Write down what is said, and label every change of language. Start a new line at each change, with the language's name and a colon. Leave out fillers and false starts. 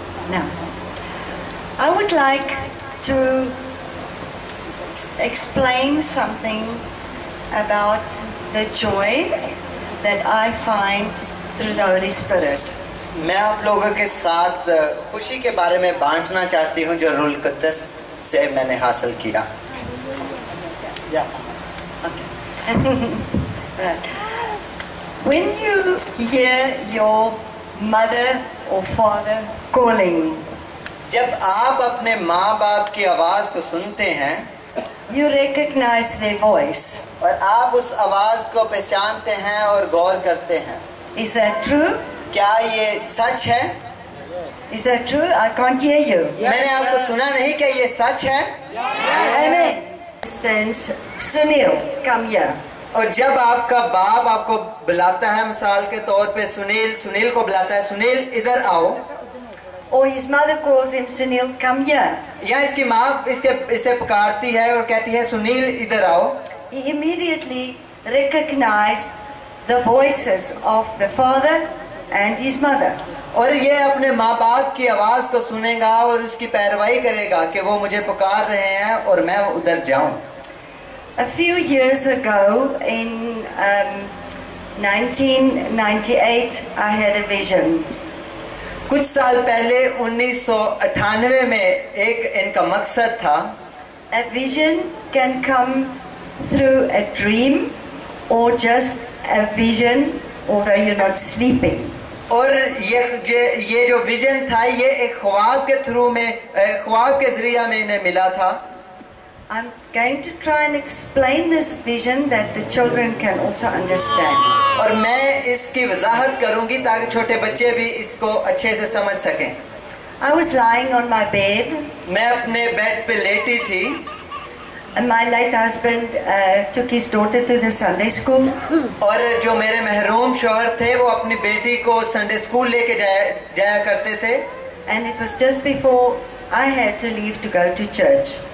English: Now, I would like to explain something about the joy that I find through the Holy Spirit.
Hindi: मैं आप लोगों के साथ खुशी के बारे में बांटना चाहती हूँ जो रूल कुद्दस से मैंने हासिल किया।
English: Yeah. Right. When you hear your mother or father calling,
Hindi: जब आप अपने माँ बाप की आवाज को सुनते हैं,
English: you recognize their voice.
Hindi: और आप उस आवाज को पहचानते हैं और गौर करते हैं.
English: Is that true?
Hindi: क्या ये सच है?
English: Is that true? I can't hear you.
Hindi: मैंने आपको सुना नहीं, क्या ये सच है?
English: Amen. Since Sunil, come here.
Hindi: और जब आपका बाप आपको बुलाता है मिसाल के तौर पे, सुनील को बुलाता है, सुनील इधर आओ,
English: और his mother calls him, Sunil, come here.
Hindi: या इसकी माँ इसे पुकारती है और कहती है सुनील इधर आओ,
English: he immediately recognized the voices of the father and his mother.
Hindi: और ये अपने माँ बाप की आवाज को सुनेगा और उसकी पैरवाई करेगा कि वो मुझे पुकार रहे हैं और मैं उधर जाऊं।
English: A few years ago, in 1998, I had a vision.
Hindi: कुछ साल पहले 1998 में एक इनका मकसद था।
English: A vision can come through a dream or just a vision, although you're not sleeping.
Hindi: और ये जो विजन था, ये एक ख्वाब के थ्रू में, ख्वाब के जरिए में इन्हें मिला था।
English: I'm going to try and explain this vision that the children can also understand.
Hindi: और मैं इसकी वजाहत करूंगी ताकि छोटे बच्चे भी इसको अच्छे से समझ सकें।
English: I was lying on my bed.
Hindi: मैं अपने बेड पे लेटी थी।
English: And my late husband took his daughter to the Sunday school.
Hindi: और जो मेरे महरूम शोहर थे वो अपनी बेटी को संडे स्कूल लेके जाया करते थे।
English: And it was just before I had to leave to go to church.